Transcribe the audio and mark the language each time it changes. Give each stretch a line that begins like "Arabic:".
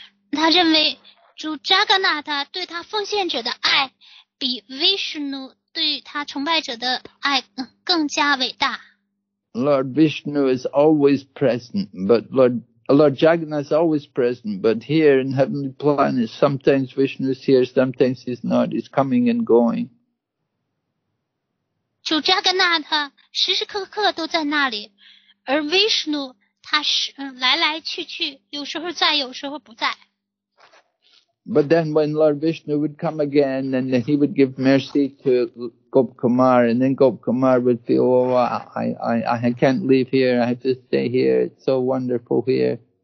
Chinese: 他认为主扎格纳塔对他奉献者的爱比维什努对他崇拜者的爱更加伟大。
English: Lord Vishnu is always present, but Lord Jagannath is always present, but here in heavenly planets, sometimes Vishnu is here, sometimes he's not, he's coming and going.
Chinese: 主扎格纳塔时时刻刻都在那里，而维什努他是来来去去，有时候在，有时候不在。
English: But then when Lord Vishnu would come again, and then he would give mercy to Gop Kumar, and then Gop Kumar would feel, oh, I can't leave here, I have to stay here, it's so wonderful here.